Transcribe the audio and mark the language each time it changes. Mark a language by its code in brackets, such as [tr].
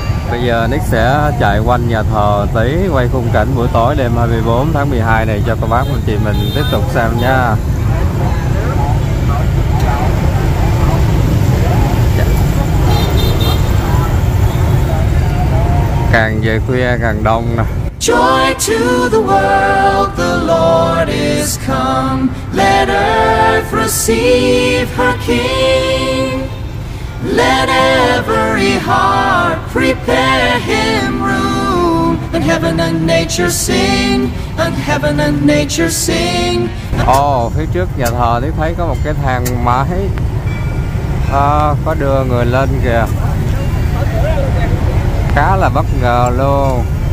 [vi] Bây giờ Nick sẽ chạy quanh nhà thờ tí, quay khung cảnh buổi tối đêm 24 tháng 12 này cho các bác anh chị mình tiếp tục xem nha. Càng về khuya càng đông nè. [en] Joy to the world, the Lord is come. Let earth receive her King. Let every heart prepare him room, and heaven and nature sing, and heaven and nature sing. [vi] Phía trước nhà thờ thì thấy có một cái thang máy, có đưa người lên kìa, khá là bất ngờ luôn.